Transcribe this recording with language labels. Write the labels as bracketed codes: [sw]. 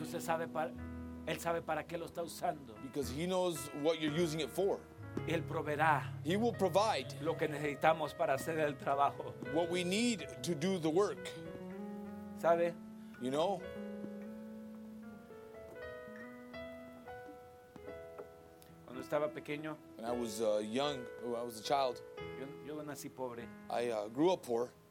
[es] Porque usted sabe para, él sabe para qué lo está usando. [en] Because he knows what you're using it for. [es] Él proveerá. [en] He will provide. [es] Lo que necesitamos para hacer el trabajo. [en] What we need to do the work. [es] ¿Sabe? [en] You know, [es] cuando estaba pequeño, [en] when I was young, when I was a child, [es] yo nací pobre. [en] I grew up poor,